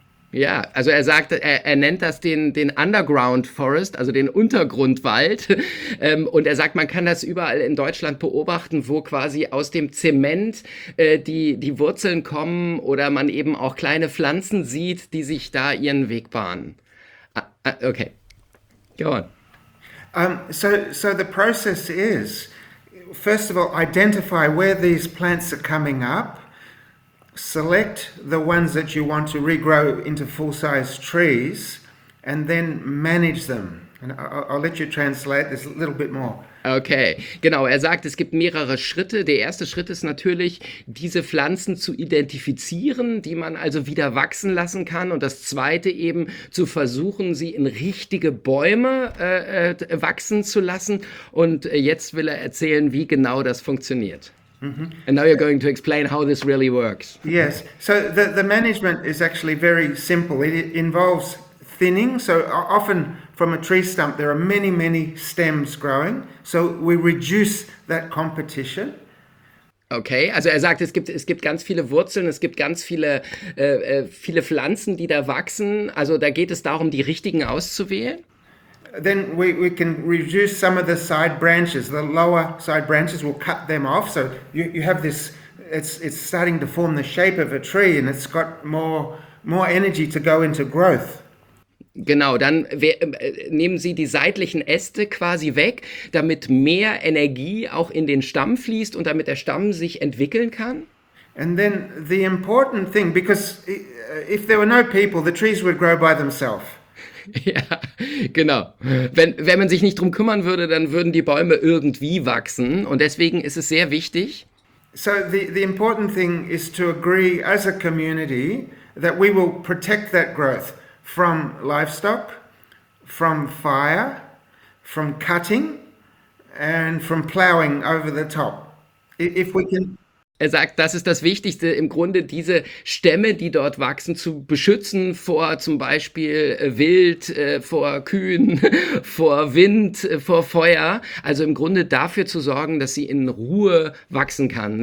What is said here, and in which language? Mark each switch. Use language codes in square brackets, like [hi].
[de] Ja, also er sagt, er nennt das den Underground Forest, also den Untergrundwald. Und er sagt, man kann das überall in Deutschland beobachten, wo quasi aus dem Zement die Wurzeln kommen oder man eben auch kleine Pflanzen sieht, die sich da ihren Weg bahnen. [en] Okay, go on. So the process is, first of all, identify where these plants are coming up. Select the ones that you want to regrow into full-size trees and then manage them. And I'll let you translate this a little bit more. [de] Okay, genau. Er sagt, es gibt mehrere Schritte. Der erste Schritt ist natürlich, diese Pflanzen zu identifizieren, die man also wieder wachsen lassen kann. Und das zweite eben, zu versuchen, sie in richtige Bäume wachsen zu lassen. Und jetzt will er erzählen, wie genau das funktioniert. Mm-hmm. [en] And now you're going to explain how this really works. Yes, so the management is actually very simple. It involves thinning, so often from a tree stump there are many, many stems growing, so we reduce that competition. [de] Okay, also er sagt, es gibt ganz viele Wurzeln, es gibt ganz viele viele Pflanzen, die da wachsen, also da geht es darum, die richtigen auszuwählen. [en] Then we can reduce some of the side branches, the lower side branches, we'll cut them off, so you have this, it's starting to form the shape of a tree and it's got more energy to go into growth. [de] Genau, dann nehmen Sie die seitlichen Äste quasi weg, damit mehr Energie auch in den Stamm fließt und damit der Stamm sich entwickeln kann. [en] And then the important thing, because if there were no people, the trees would grow by themselves. [de] Ja, genau. Wenn man sich nicht drum kümmern würde, dann würden die Bäume irgendwie wachsen. Und deswegen ist es sehr wichtig. [en] So the important thing is to agree as a community that we will protect that growth. From livestock, from fire, from cutting and from plowing over the top. If we can. [de] Er sagt, das ist das Wichtigste, im Grunde diese Stämme, die dort wachsen, zu beschützen vor zum Beispiel Wild, vor Kühen, vor Wind, vor Feuer. Also im Grunde dafür zu sorgen, dass sie in Ruhe wachsen kann.